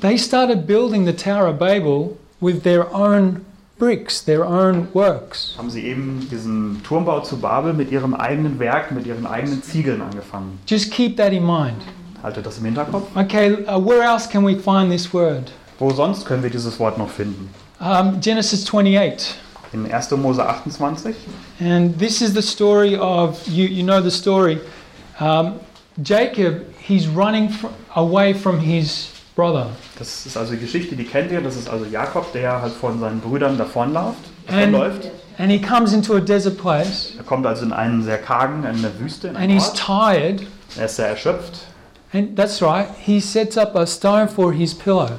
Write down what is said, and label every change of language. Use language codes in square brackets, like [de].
[en] they started building the Tower of Babel with their own bricks, their own works. [de] Haben sie eben diesen Turmbau zu Babel mit ihrem eigenen Werk, mit ihren eigenen Ziegeln angefangen. [en] Just keep that in mind. [de] Haltet das im Hinterkopf. [en] Okay, where else can we find this word? [de] Wo sonst können wir dieses Wort noch finden? [en] Genesis 28. [de] In 1. Mose 28. [en] And this is the story of, you know the story, Jacob, he's running away from his brother. [de] Das ist also die Geschichte, die kennt ihr. Das ist also Jakob, der halt von seinen Brüdern davonläuft. [en] And he comes into a desert place. [de] Er kommt also in einen sehr kargen, in eine Wüste. In [en] and [de] Ort. [en] He's tired. [de] Er ist sehr erschöpft. [en] And that's right. He sets up a stone for his pillow.